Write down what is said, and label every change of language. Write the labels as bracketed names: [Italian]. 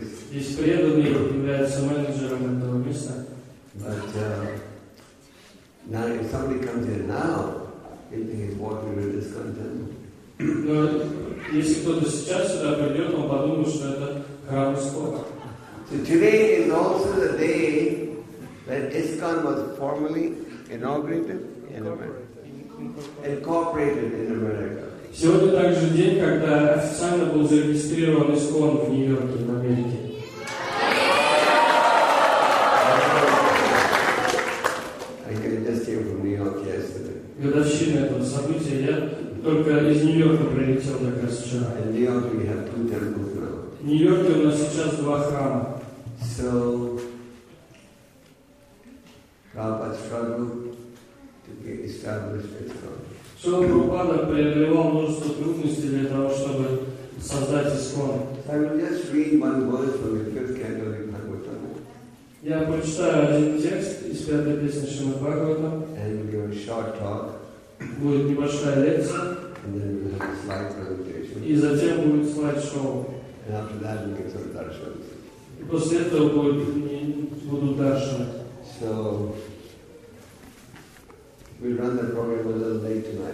[Russian] Здесь преданный является менеджером этого места. [English] But now if somebody comes here now, he thinks walking with discontent. [Russian] Но если кто-то сейчас сюда придет, он подумает, что это. [English] So today is also the day that ISKCON was formally inaugurated in America. Incorporated in America. [Russian] Сегодня также день, когда официально был зарегистрирован ИСККОН в Нью-Йорке, в Америке. [English] I came just here from New York yesterday. [Russian] Годовщина этого события. Я только из Нью-Йорка прилетел как раз вчера. [English] In New York we have two temples now. [Russian] В Нью-Йорке у нас сейчас два храма. [English] So, Prabhupada struggled to be established ISKCON. [Russian] So, Prabhupada преодолевал множество трудностей для того, чтобы создать ИСККОН. [English] So, I will just read one verse from the fifth canto of Bhagavatam. [Russian] Я прочитаю один текст из пятой песни Шримад Бхагаватам. [English] And we'll give a short talk. [Russian] Будет небольшая лекция. [English] And then we'll have a slide presentation. [Russian] И затем будет слайд-шоу. [English] And after that, we get some darshans. [Russian] И после этого будут даршаны. [English] So we run the program a little late tonight.